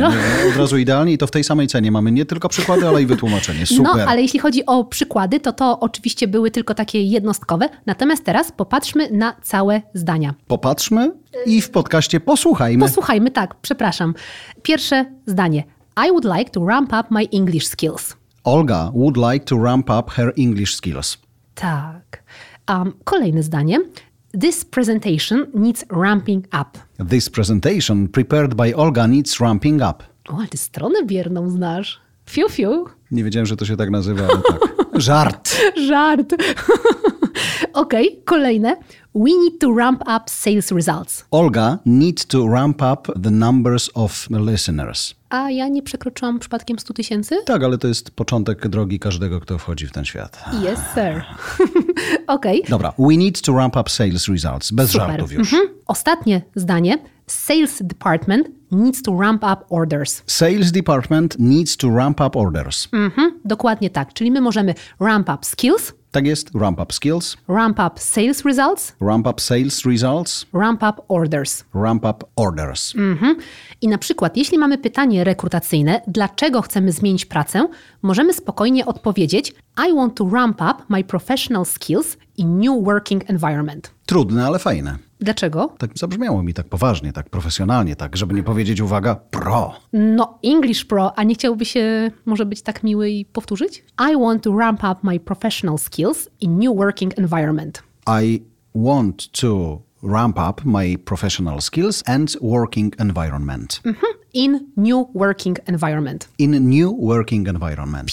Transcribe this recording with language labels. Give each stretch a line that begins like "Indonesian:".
Polish: Bardzo. Nie, od razu idealnie i to w tej samej cenie. Mamy nie tylko przykłady, ale i wytłumaczenie. Super. No, ale jeśli chodzi o przykłady, to oczywiście były tylko takie jednostkowe. Natomiast teraz popatrzmy na całe zdania. Popatrzmy i w podcaście posłuchajmy. Posłuchajmy, tak, przepraszam. Pierwsze zdanie.
English: I would like to ramp up my English skills. Olga would like to ramp up her English skills.
Polish: Tak. Kolejne zdanie.
English: This presentation needs ramping up. This presentation prepared by Olga needs ramping up.
Polish: O, ale ty stronę bierną znasz. Fiu, fiu. Nie wiedziałem, że to się tak nazywa, ale tak. Żart. Żart. Okej, okay, kolejne.
English: We need to ramp up sales results. Olga needs to ramp up the numbers of listeners.
Polish: A ja nie przekroczyłam przypadkiem 100 tysięcy? Tak, ale to jest początek drogi każdego, kto wchodzi w ten świat.
English: Yes, sir. Okej.
Polish: Okay. Dobra.
English: We need to ramp up sales results.
Polish: Bez Super. Żartów już. Mm-hmm. Ostatnie zdanie.
English: Sales department needs to ramp up orders. Sales department needs to ramp up orders.
Polish: Mm-hmm. Dokładnie tak. Czyli my możemy ramp up skills. Tak jest.
English: Ramp up skills. Ramp up sales results. Ramp up sales results. Ramp up orders. Ramp up orders. Mm-hmm.
Polish: I na przykład, jeśli mamy pytanie rekrutacyjne, dlaczego chcemy zmienić pracę, możemy spokojnie odpowiedzieć
English: I want to ramp up my professional skills in new working environment.
Polish: Trudne, ale fajne. Dlaczego? Tak zabrzmiało mi tak poważnie, tak profesjonalnie, tak, żeby nie powiedzieć, uwaga, pro. No, English pro, a nie chciałby się może być tak miły i powtórzyć?
English: I want to ramp up my professional skills in new working environment. I want to ramp up my professional skills and working environment. Mm-hmm. In new working environment. In new working environment.